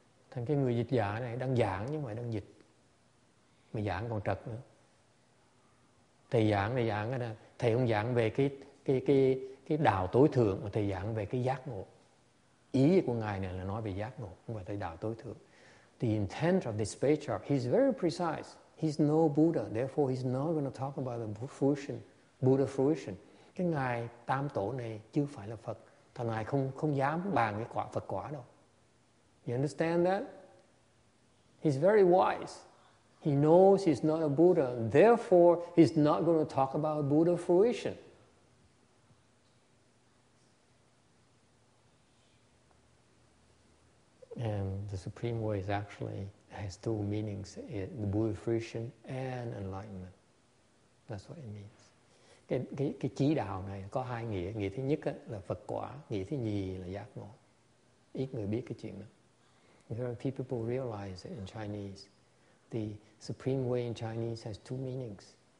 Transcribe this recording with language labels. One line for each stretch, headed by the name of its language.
Vietnamese: Thành cái người dịch giả này đang giảng nhưng mà đang dịch. Mà giảng còn trật nữa. Thầy giảng là giảng là thầy không giảng về cái đạo tối thượng mà thầy giảng về cái giác ngộ. Ý của ngài này là nói về giác ngộ, không phải tới đạo tối thượng.
English: The intent of this patriarch, he's very precise. He's no Buddha, therefore he's not going to talk about the fruition, Buddha fruition.
Vietnamese: cái ngài tam tổ này chưa phải là Phật, thằng ngài không dám bàn cái quả Phật quả đâu.
English: You understand that? He's very wise. He knows he's not a Buddha. Therefore, he's not going to talk about Buddha fruition. And the Supreme Way is actually has two meanings: the Buddha fruition and enlightenment. That's what it means.
Vietnamese: Cái chỉ đạo này có hai nghĩa. Nghĩa thứ nhất là Phật quả. Nghĩa thứ nhì là giác ngộ. Ít người biết cái chuyện đó.
English: People realize that in Chinese, the Supreme Way in Chinese has two meanings.